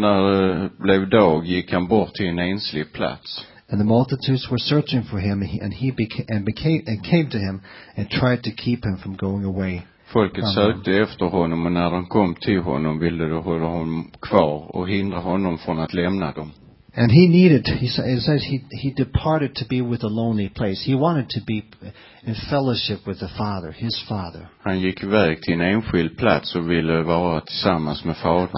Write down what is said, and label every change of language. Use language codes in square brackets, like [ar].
[sv] När blev dag gick han bort till en enslig plats. [en] And the multitudes were searching for him, and he came to him and tried to keep him from going away. [sv] Folket sökte efter honom, och när de kom till honom ville de hålla honom kvar och hindra honom från att lämna dem. [en] And he needed, he departed to be with a lonely place. He wanted to be in fellowship with the Father, his Father. [sv] Han gick iväg till en enskild plats och ville vara tillsammans med Fadern.